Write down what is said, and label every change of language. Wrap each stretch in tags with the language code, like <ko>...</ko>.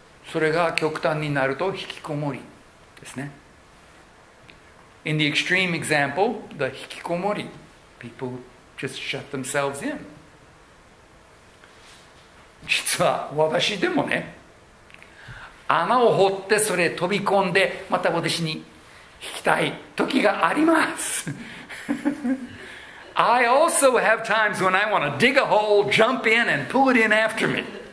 <ja>それが極端になると引きこもりですね。</ja> <en>In the extreme example, the 引きこもり people just shut themselves in.</en> <ja>実は私でもね、穴を掘ってそれ飛び込んでまた私に引きたい時があります。</ja> <en>I also have times when I want to dig a hole, jump in, and pull it in after me.</en>